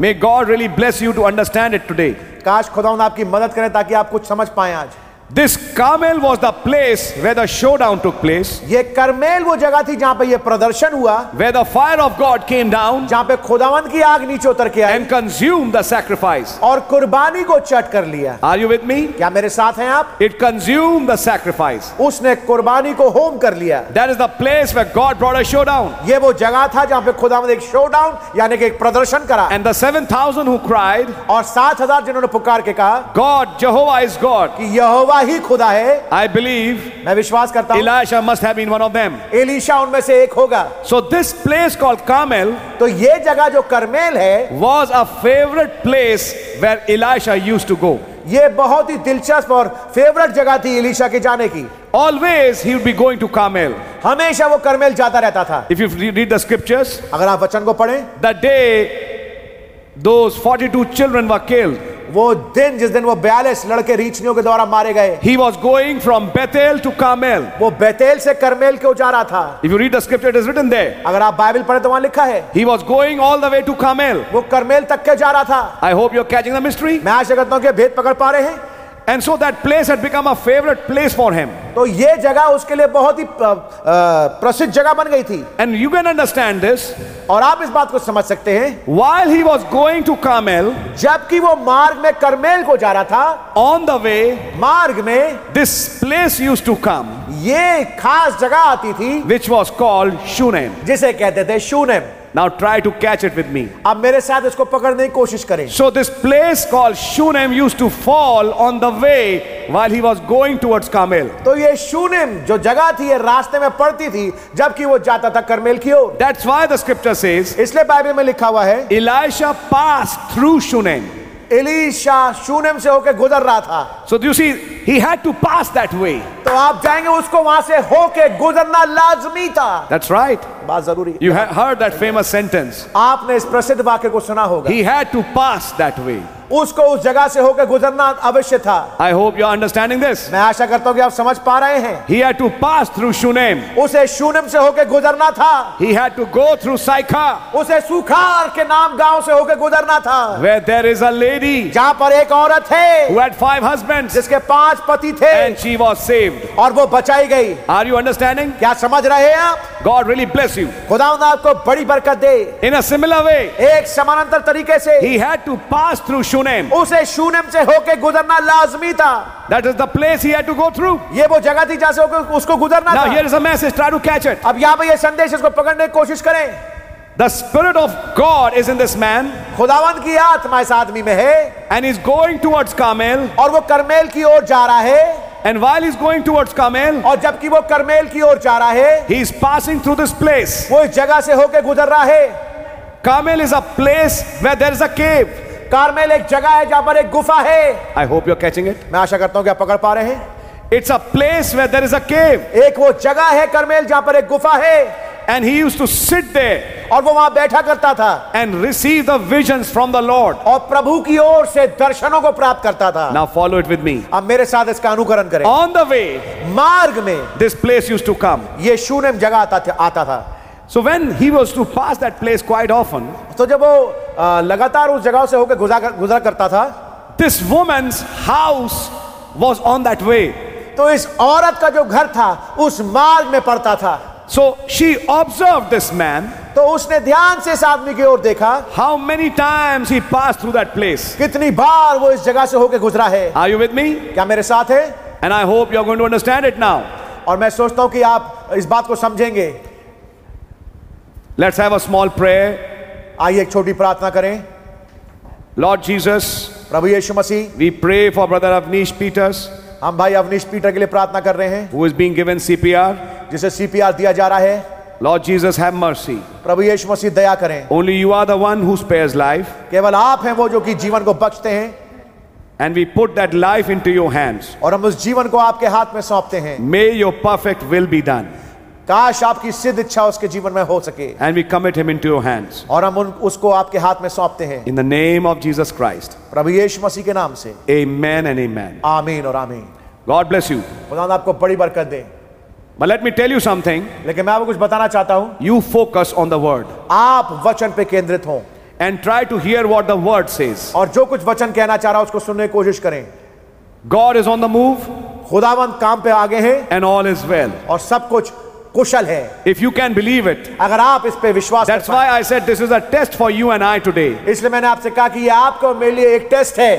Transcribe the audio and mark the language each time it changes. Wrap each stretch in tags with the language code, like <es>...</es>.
<en>May God really bless you to understand it today.</en> <hi>काश खुदावंद आपकी मदद करे ताकि आप कुछ समझ पाए आज.</hi> <en>This Carmel was the place where the showdown took place.</en> <hi>ये कर्मेल वो जगह थी जहाँ पे ये प्रदर्शन हुआ.</hi> <en>Where the fire of God came down.</en> <hi>जहाँ पे खुदावंद की आग नीचे उतर के आई.</hi> <en>And consumed the sacrifice.</en> <hi>और कुर्बानी को चट कर लिया.</hi> <en>Are you with me?</en> <hi>क्या मेरे साथ हैं आप?</hi> <en>It consumed the sacrifice.</en> <hi>उसने कुर्बानी को होम कर लिया.</hi> <en>That is the place where God brought a showdown.</en> <hi>ये वो जगह था जहाँ पे खुदावंद एक showdown यानी कि एक प्रदर्शन करा.</hi> <en>And the 7,000 who cried.</en> <hi>और 7,000 जिन्होंने पुकार के कहा.</hi> <en>God, Jehovah is God.</en> <hi>कि यहोवा ही खुदा है.</hi> <en>I believe,</en> <hi>मैं विश्वास करता हूं,</hi> <en>Elisha must have been one of them.</en> <hi>Elisha उनमें से एक होगा.</hi> <en>So this place called Carmel,</en> <hi>तो ये जगह जो कर्मेल है,</hi> <en>was a favorite place where Elisha used to go.</en> <hi>ये बहुत ही दिलचस्प और फेवरेट जगह थी एलिशा के जाने की.</hi> <en>Always he would be going to Carmel.</en> <hi>हमेशा वो कर्मेल जाता रहता था.</hi> <en>If you read the scriptures,</en> <hi>अगर आप वचन को पढ़ें,</hi> <en>the day those 42 children were killed.</en> <hi>वो दिन जिस दिन वो 42 लड़के रीचनियों के द्वारा मारे गए.</hi> <en>He was going from Bethel to Carmel.</en> <hi>वो बेतेल से कर्मेल को जा रहा था.</hi> <en>If you read the scripture, it is written there.</en> <hi>अगर आप बाइबल पढ़े तो वहां लिखा है.</hi> <en>He was going all the way to Carmel.</en> <hi>वो कर्मेल तक के जा रहा था.</hi> <en>I hope you're catching the mystery.</en> <hi>मैं आशा करता हूं कि भेद पकड़ पा रहे हैं.</hi> <en>And so that place had become a favorite place for him.</en> <hi>तो ये जगह उसके लिए बहुत ही प्रसिद्ध जगह बन गई थी.</hi> <en>And you can understand this.</en> <hi>और आप इस बात को समझ सकते हैं.</hi> <en>While he was going to Carmel,</en> <hi>जबकि वो मार्ग में कर्मेल को जा रहा था,</hi> <en>on the way,</en> <hi>मार्ग में,</hi> <en>this place used to come.</en> <hi>ये खास जगह आती थी,</hi> <en>which was called Shunem.</en> <hi>जिसे कहते थे Shunem.</hi> <en>Now try to catch it with me.</en> <hi>अब मेरे साथ इसको पकड़ने की कोशिश करें.</hi> <en>So this place called Shunem used to fall on the way while he was going towards Carmel.</en> <hi>तो ये Shunem जो जगह थी ये रास्ते में पड़ती थी जबकि वो जाता था कर्मेल की ओर.</hi> <en>That's why the scripture says.</en> <hi>इसलिए बाइबल में लिखा हुआ है.</hi> <en>Elisha passed through Shunem.</en> <hi>Elisha Shunem से होके गुजर रहा था.</hi> <en>So you see, he had to pass that way.</en> <hi>तो आप जाएंगे उसको वहां से होके गुजरना लाजमी था.</hi> <en>That's right.</en> <hi>बात जरूरी.</hi> <en>You have heard that famous sentence.</en> <hi>आपने इस प्रसिद्ध वाक्य को सुना होगा.</hi> <en>He had to pass that way.</en> <hi>उसको उस जगह से होकर गुजरना अवश्य था.</hi> <en>I hope you are understanding this.</en> <hi>मैं आशा करता हूं कि आप समझ पा रहे हैं.</hi> <en>He had to pass through Shunem.</en> <hi>उसे Shunem से होकर गुजरना था.</hi> <en>He had to go through Sychar.</en> <hi>उसे सूखार के नाम गांव से होकर गुजरना था.</hi> <en>Where there is a lady.</en> <hi>जहां पर एक औरत है.</hi> <en>Who had 5 husbands.</en> <hi>जिसके 5 पति थे.</hi> <en>And she was saved.</en> <hi>और वो बचाई गई.</hi> <en>Are you understanding?</en> <hi>क्या समझ रहे हैं आप?</hi> <en>God really bless you.</en> <hi>खुदावंद आपको बड़ी बरकत दे.</hi> <en>In a similar way.</en> <hi>एक समानांतर तरीके से.</hi> <en>He had to pass through Shunem.</en> <hi>उसे Shunem से होके गुजरना लाजमी था.</hi> <en>That is the place he had to go through.</en> <hi>ये वो जगह थी जहाँ से उसको गुजरना था.</hi> <en>Now here is a message. Try to catch it.</en> <hi>अब यहाँ पे ये संदेश इसको पकड़ने की कोशिश करें.</hi> <en>The spirit of God is in this man.</en> <hi>खुदावंद की आत्मा इस आदमी में है.</hi> <en>And he's going towards Carmel.</en> <hi>और वो कर्मेल की ओर जा रहा है.</hi> <en>And while he's going towards Carmel,</en> <hi>और जबकि वो कर्मेल की ओर जा रहा है,</hi> <en>he is passing through this place.</en> <hi>वो इस जगह से होके गुजर रहा है.</hi> <en>Carmel is a place where there is a cave.</en> <hi>Carmel एक जगह है जहां पर एक गुफा है.</hi> <en>I hope you're catching it.</en> <hi>मैं आशा करता हूं कि आप पकड़ पा रहे हैं.</hi> <en>It's a place where there is a cave.</en> <hi>एक वो जगह है कार्मेल जहां पर एक गुफा है.</hi> <en>And he used to sit there.</en> <hi>और वो वहाँ बैठा करता था.</hi> <en>And receive the visions from the Lord.</en> <hi>और प्रभु की ओर से दर्शनों को प्राप्त करता था.</hi> <en>Now follow it with me.</en> <hi>अब मेरे साथ इसका अनुकरण करें.</hi> <en>On the way.</en> <hi>मार्ग में.</hi> <en>This place used to come.</en> <hi>ये शूनेम जगह आता था.</hi> <en>So when he was to pass that place quite often.</en> <hi>तो जब वो लगातार उस जगह से होकर गुजरा करता था.</hi> <en>This woman's house was on that way.</en> <hi>तो इस औरत का जो घर था उस मार्ग में पड़ता था.</hi> <en>So she observed this man.</en> <hi>तो उसने ध्यान से इस आदमी की ओर देखा.</hi> <en>How many times he passed through that place?</en> <hi>कितनी बार वो इस जगह से होके गुजरा है?</hi> <en>Are you with me?</en> <hi>क्या मेरे साथ है?</hi> <en>And I hope you're going to understand it now.</en> <hi>और मैं सोचता हूँ कि आप इस बात को समझेंगे.</hi> <en>Let's have a small prayer.</en> <hi>आइए एक छोटी प्रार्थना करें.</hi> <en>Lord Jesus,</en> <hi>Prabhu Yeshu Masih,</hi> <en>we pray for brother Avnish Peters.</en> <hi>हम भाई अवनीश पीटर के लिए प्रार्थना कर रहे हैं.</hi> <en>Who is being given CPR?</en> <hi>जिसे CPR दिया जा रहा है.</hi> <en>Lord Jesus, have mercy.</en> <hi>प्रभु यीशु मसीह दया करें.</hi> <en>Only you are the one who spares life.</en> <hi>केवल आप हैं वो जो कि जीवन को बख्शते हैं.</hi> <en>And we put that life into your hands.</en> <hi>और हम उस जीवन को आपके हाथ में सौंपते हैं.</hi> <en>May your perfect will be done.</en> <hi>काश आपकी सिद्ध इच्छा उसके जीवन में हो सके.</hi> <en>And we commit him into your hands.</en> <hi>और हम उसको आपके हाथ में सौंपते हैं.</hi> <en>In the name of Jesus Christ.</en> <hi>प्रभु यीशु मसीह के नाम से.</hi> <en>Amen and amen.</en> <hi>आमीन और आमीन.</hi> <en>God bless you.</en> <hi>खुदा आपको बड़ी बरकत दे.</hi> <en>But let me tell you something.</en> <hi>लेकिन मैं आपको कुछ बताना चाहता हूँ.</hi> <en>You focus on the word.</en> <hi>आप वचन पे केंद्रित हो.</hi> <en>And try to hear what the word says.</en> <hi>और जो कुछ वचन कहना चाह रहा उसको सुनने की कोशिश करें.</hi> <en>God is on the move.</en> <hi>खुदावंत काम पे आगे हैं.</hi> <en>And all is well.</en> <hi>और सब कुछ कुशल है.</hi> <en>If you can believe it.</en> <hi>अगर आप इस पे विश्वास.</hi> <en>That's why I said this is a test for you and I today.</en> <hi>इसलिए मैंने आपसे कहा कि ये आपको मेरे लिए एक टेस्ट है.</hi>